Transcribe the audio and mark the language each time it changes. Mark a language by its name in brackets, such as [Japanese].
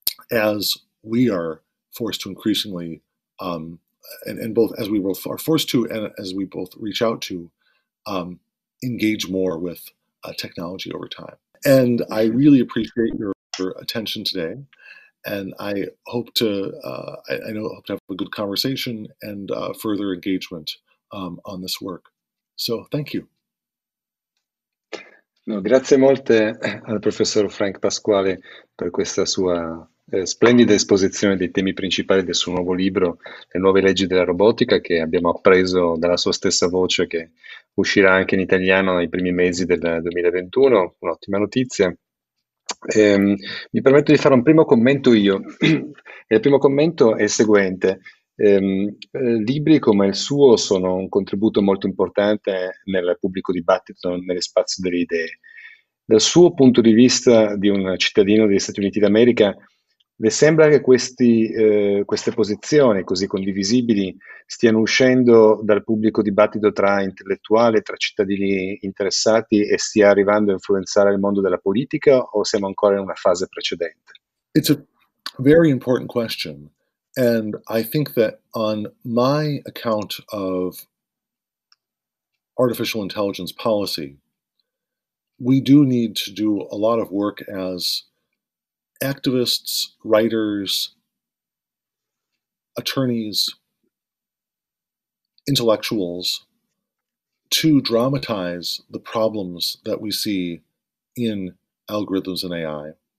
[English] as we are forced to increasingly, and both as we both are forced to and as we both reach out to, engage more with technology over time. And I really appreciate your attention today. And I hope to, hope to have a good conversation and further engagement on this work. So thank you. [Italian] No, grazie molte al professor Frank Pasquale per questa sua splendida esposizione dei temi principali del suo nuovo libro, Le nuove leggi della robotica, che abbiamo appreso dalla sua stessa voce che uscirà anche in italiano nei primi mesi del 2021, un'ottima notizia. Mi permetto di fare un primo commento io. Il primo commento è il seguente. Libri come il suo sono un contributo molto importante nel pubblico dibattito, nello spazio delle idee. Dal suo punto di vista di un cittadino degli Stati Uniti d'America, le sembra che queste posizioni così condivisibili stiano uscendo dal pubblico dibattito tra intellettuali, tra cittadini interessati e stia arrivando a influenzare il mondo della politica o siamo ancora in una fase precedente? [English] It's a very important question. And I think that on my account of artificial intelligence policy, we do need to do a lot of work as activists, writers, attorneys, intellectuals, to dramatize the problems that we see in algorithms and AI.